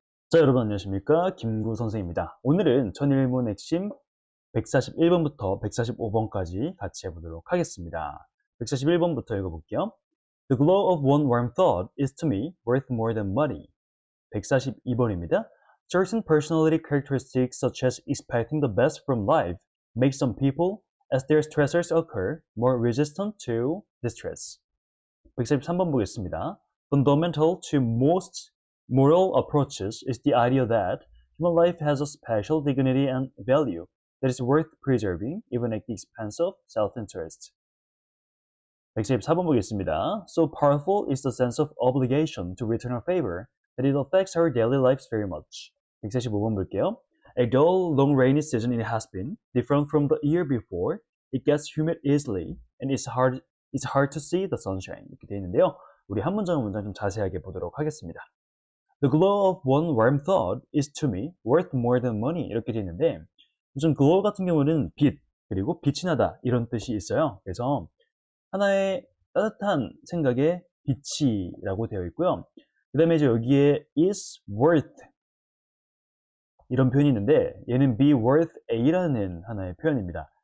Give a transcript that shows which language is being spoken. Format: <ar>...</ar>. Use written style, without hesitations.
<ko>자, 여러분 안녕하십니까? 김구 선생입니다. 오늘은 천일문 핵심 141번부터 145번까지 같이 해보도록 하겠습니다. 141번부터 읽어볼게요.</ko> <en>The glow of one warm thought is to me worth more than money.</en> <ko>142번입니다.</ko> <en>Certain personality characteristics such as expecting the best from life make some people, as their stressors occur, more resistant to distress.</en> <ko>143번 보겠습니다.</ko> <en>Fundamental to most moral approaches is the idea that human life has a special dignity and value that is worth preserving even at the expense of self-interest.</en> <ko>114번 보겠습니다.</ko> <en>So powerful is the sense of obligation to return a favor that it affects our daily lives very much.</en> <ko>115번 볼게요.</ko> <en>A dull, long rainy season it has been, different from the year before. It gets humid easily and it's hard to see the sunshine.</en> <ko>이렇게 되어 있는데요. 우리 한 문장 좀 자세하게 보도록 하겠습니다.</ko> <en>The glow of one warm thought is to me worth more than money.</en> <ko>이렇게 되어 있는데, 요즘 glow 같은 경우는 빛, 그리고 빛이 나다, 이런 뜻이 있어요. 그래서 하나의 따뜻한 생각에 빛이라고 되어 있고요. 그 다음에 이제 여기에 is worth 이런 표현이 있는데, 얘는 be worth a라는 하나의 표현입니다.</ko>